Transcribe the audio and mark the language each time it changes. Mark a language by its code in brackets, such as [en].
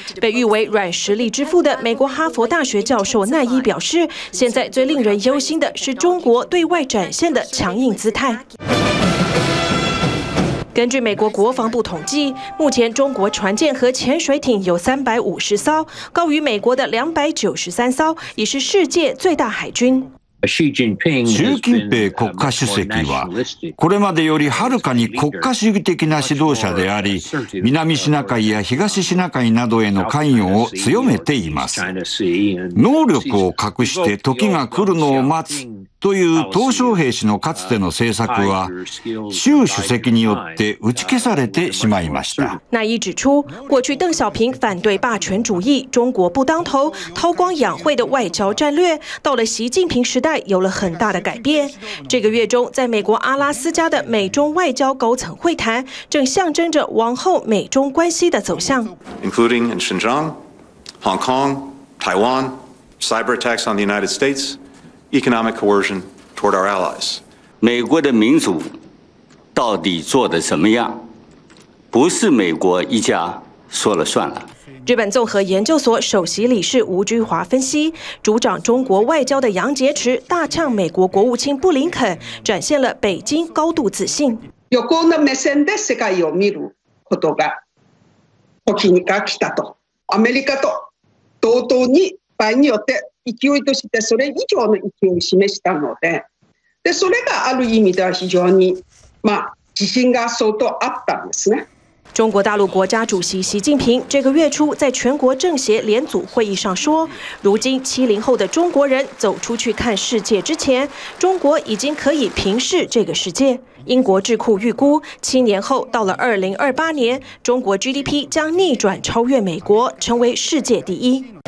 [zh] 被誉为软实力之父的美国哈佛大学教授奈伊表示，现在最令人忧心的是中国对外展现的强硬姿态。根据美国国防部统计，目前中国船舰和潜水艇有350艘，高于美国的293艘，已是世界最大海军。 [ja] 習近平国家主席はこれまでよりはるかに国家主義的な指導者であり、南シナ海や東シナ海などへの関与を強めています。能力を隠して時が来るのを待つという鄧小平氏のかつての政策は習主席によって打ち消されてしまいました。 [zh] 那一指出过去邓小平反对霸权主义中国不当头韬光养晦的外交战略到了习近平时代有了很大的改变。这个月中在美国阿拉斯加的美中外交高层会谈正象征着往后美中关系的走向。 [en] including in Xinjiang, Hong Kong, Taiwan, cyber attacks on the United States,economic coercion toward our allies. [zh] 美国的民主到底做得怎么样？不是美国一家说了算了。日本综合研究所首席理事吴居华分析，主掌中国外交的杨洁篪大呛美国国务卿布林肯，展现了北京高度自信。 [ja] 横の目線で世界を見ることが時が来たと、アメリカと同等に場合によって。勢いとしてそれ以上の勢いを示したの でそれがある意味では非常に、まあ、自信が相当あったんですね。 [zh] 中国大陆国家主席习近平这个月初在全国政协联组会议上说，如今七零后的中国人走出去看世界之前，中国已经可以平视这个世界。英国智库预估，七年后到了2028年，中国 GDP 将逆转超越美国，成为世界第一。